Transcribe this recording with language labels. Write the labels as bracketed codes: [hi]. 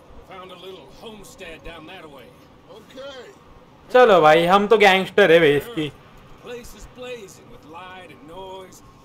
[en] Found a little homestead down that way. Okay. [hi] चलो भाई, हम तो गैंगस्टर है भाई इसकी। [en] Place is blazing with light and noise.